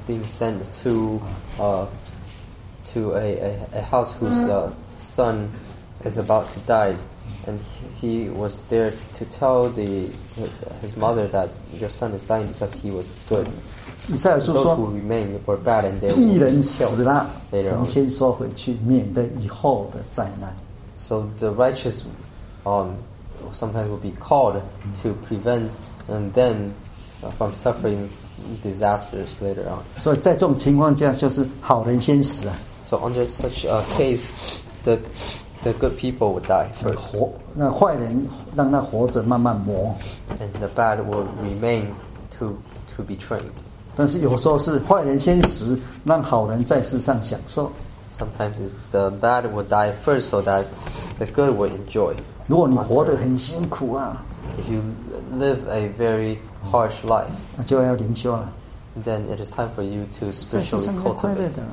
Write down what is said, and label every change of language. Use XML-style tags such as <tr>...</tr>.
<en>Being sent to, to a house whose son is about to die, and he was there to tell his mother that your son is dying because he was good.</en> <zh>以赛亚书说</zh> <en>those who remain were bad and they will be killed.</en> <zh>一人死了，神先说回去，免得以后的灾难。</zh> <en>So the righteous, sometimes will be called to prevent and then from suffering disasters later on.</en> <zh>所以在这种情况下，就是好人先死啊。</zh> <en>So under such a case, the good people would die first.</en> <zh>那坏人让他活着慢慢磨。</zh> <en>And the bad will remain to be trained.</en> <zh>但是有时候是坏人先死，让好人在世上享受。</zh> <en>Sometimes it's the bad will die first so that the good will enjoy.</en> <zh>如果你活得很辛苦啊。</zh> <en>If you live a very harsh life.</en> <zh>那就要灵修了。</zh> <en>Then it is time for you to spiritually cultivate.</en>